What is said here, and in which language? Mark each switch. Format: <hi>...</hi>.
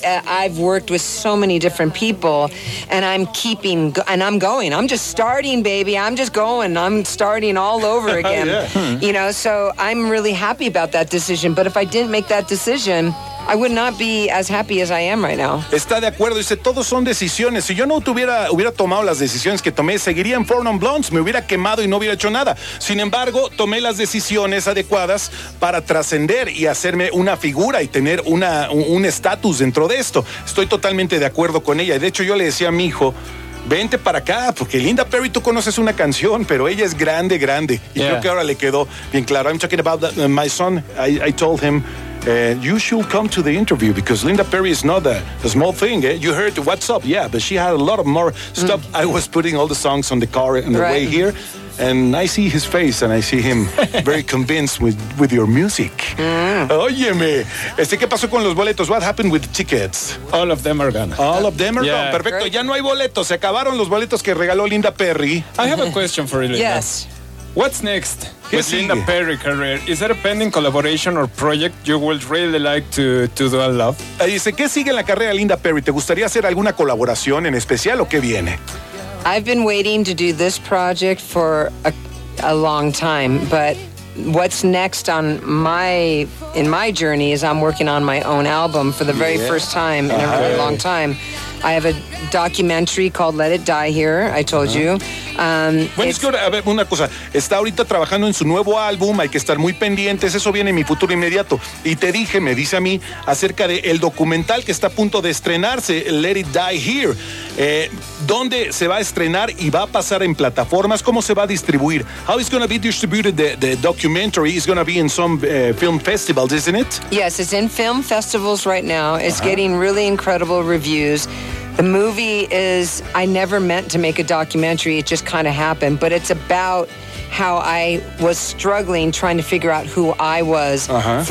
<en>I've worked with so many different people, and I'm keeping, and I'm going. I'm just starting, baby. I'm just going. I'm starting all over again. Yeah. You know, so I'm really happy about that decision. But if I didn't make that decision, I would not be as happy as I am right now.</en> <es>Está de acuerdo. Dice, todos son decisiones. Si yo no hubiera tomado las decisiones que tomé, seguiría en Fort on Blondes. Me hubiera quemado y no hubiera hecho nada. Sin embargo, tomé las decisiones adecuadas para trascender y hacerme una figura y tener un estatus dentro de esto. Estoy totalmente de acuerdo con ella. De hecho, yo le decía a mi hijo, vente para acá, porque Linda Perry, tú conoces una canción, pero ella es grande, grande. Y yeah. creo que ahora le quedó bien claro.</es> <en>I'm talking about that, my son. I told him, you should come to the interview because Linda Perry is not a small thing. Eh? You heard what's up, yeah, but she had a lot of more stuff. Mm. I was putting all the songs on the car on the way here. And I see his face and I see him very convinced with your music.</en> <es>Mm. Óyeme. ¿Qué pasó con los boletos?</es> <en>What happened with the tickets? All of them are gone. All of them are yeah. gone.</en> <es>Perfecto.</es> <en>Great.</en> <es>Ya no hay boletos. Se acabaron los boletos que regaló Linda Perry.</es> <en>I have a question for you, Linda. Yes. What's next with</en> <es>sigue?</es> <en>Linda Perry career? Is there a pending collaboration or project you would really like to do and love?</en> <es>Dice, ¿qué sigue en la carrera de Linda Perry? ¿Te gustaría hacer alguna colaboración en especial o qué viene?</es> <en>I've been waiting to do this project for a long time, but what's next on my journey is I'm working on my own album for the very yeah. first time in uh-huh. a really long time. I have a documentary called Let It Die Here, I told uh-huh. you.</en> <es>Bueno, es que, a ver, una cosa, está ahorita trabajando en su nuevo álbum, hay que estar muy pendientes, eso viene en mi futuro inmediato. Y te dije, me dice a mí, acerca del documental que está a punto de estrenarse, Let It Die Here. ¿Dónde se va a estrenar y va a pasar en plataformas? ¿Cómo se va a distribuir?</es> <en>How is going to be distributed the documentary? It's going to be in some film festivals, isn't it? Yes, it's in film festivals right now. It's uh-huh. getting really incredible reviews. The movie is, I never meant to make a documentary. It just kind of happened. But it's about how I was struggling trying to figure out who I was uh-huh.</en>